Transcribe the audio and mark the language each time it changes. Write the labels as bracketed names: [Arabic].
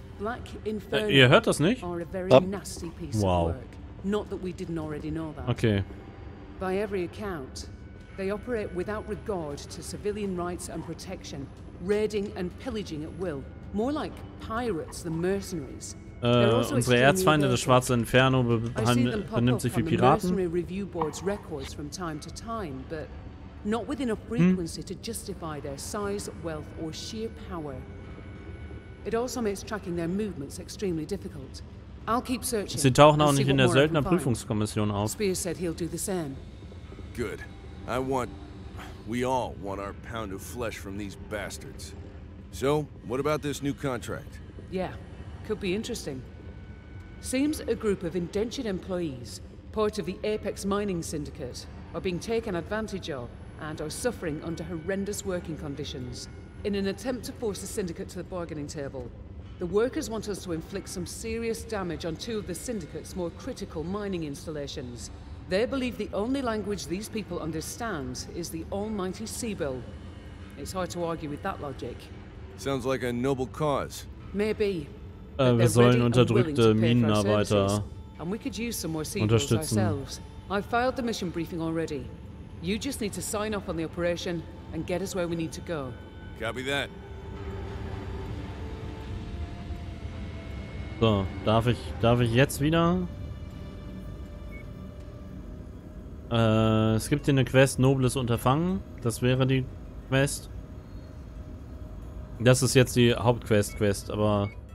[German] Black Inferno. Ihr hört das nicht? [English] Are a very ja. Nasty piece wow. Of work. Not that we didn't already know that. Okay. By every account, they operate without regard to civilian rights and protection, raiding and pillaging at will, more like pirates than mercenaries. [German] Unsere Erzfeinde, das schwarze Inferno, benimmt sich wie Piraten. [English] Mercenary review boards records from time to time, but not with enough frequency to justify their size, wealth or sheer power. It also makes tracking their movements extremely difficult. I'll keep searching. [German] Sie tauchen auch nicht in der Söldner Prüfungskommission auf. [English] Spears said he'll do the same. Good. We all want our pound of flesh from these bastards. So, what about this new contract? Yeah, could be interesting. Seems a group of indentured employees, part of the Apex Mining Syndicate, are being taken advantage of. And are suffering under horrendous working conditions. In an attempt to force the syndicate to the bargaining table, the workers want us to inflict some serious damage on two of the syndicate's more critical mining installations. They believe the only language these people understand is the almighty Seabill. It's hard to argue with that logic. Sounds like a noble cause. Maybe. [German] Wir sollen unterdrückte Minenarbeiter unterstützen. [English] I've filed the mission briefing already. You just need to sign off on the operation and get us where we need to go. Copy that. [German] So, darf ich jetzt wieder? Es gibt hier eine Quest, Nobles Unterfangen. Das wäre die Quest. Das ist jetzt die Hauptquest, aber...